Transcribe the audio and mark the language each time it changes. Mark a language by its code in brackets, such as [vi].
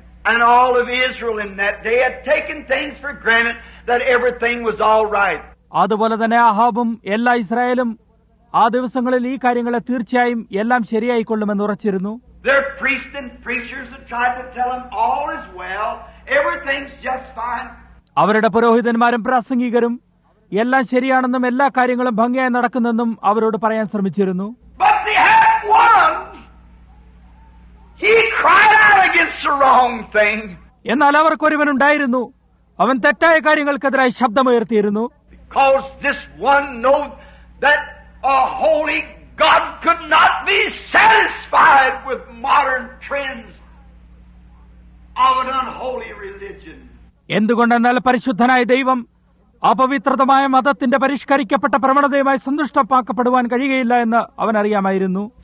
[en] And all of Israel in that day had taken things for granted that everything was all right. [ml] അതുപോലെ തന്നെ അഹാബും എല്ലാ ഇസ്രായേലും ആ ദിവസങ്ങളിൽ ഈ കാര്യങ്ങളെ തീർച്ചയായും എല്ലാം ശരിയായി കൊള്ളുമെന്ന് ഉറച്ചിരുന്നു. [en] Their priests and preachers had tried to tell them all is well, everything's just fine. [ml] അവരുടെ പുരോഹിതന്മാരും പ്രസംഗികരും എല്ലാം ശരിയാണെന്നും എല്ലാ കാര്യങ്ങളും ഭംഗിയായി നടക്കുന്നെന്നും അവരോട് പറയാൻ ശ്രമിച്ചിരുന്നു. [en] But they had one. He cried out against the wrong thing. [ml] എന്നാൽ അവർക്കൊരുവൻ ഉണ്ടായിരുന്നു, അവൻ തെറ്റായ കാര്യങ്ങൾക്കെതിരായി ശബ്ദമുയർത്തിയിരുന്നു. [en] Because this one knew that a holy God could not be satisfied with modern trends of an unholy religion. [ml] എന്തുകൊണ്ടെന്നാൽ പരിശുദ്ധനായ ദൈവം അപവിത്രതമായ മതത്തിന്റെ പരിഷ്കരിക്കപ്പെട്ട പ്രവണതയുമായി സന്തുഷ്ടപ്പെടുവാൻ കഴിയുകയില്ല എന്ന് അവൻ അറിയാമായിരുന്നു.